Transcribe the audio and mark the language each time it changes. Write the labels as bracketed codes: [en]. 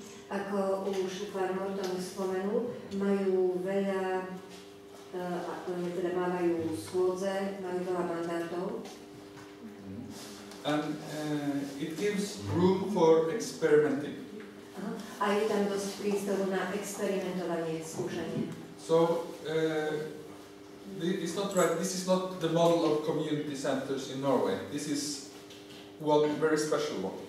[sk] Ako už pán Morton spomenul, majú veľa, teda mávajú schôdze, majú veľa mandátov. [en] And it gives room for experimenting. [sk] A je tam dosť prístoru na experimentovanie, skúšanie. [en] So, it's not right, this is not the model of community centers in Norway. This is one very special one.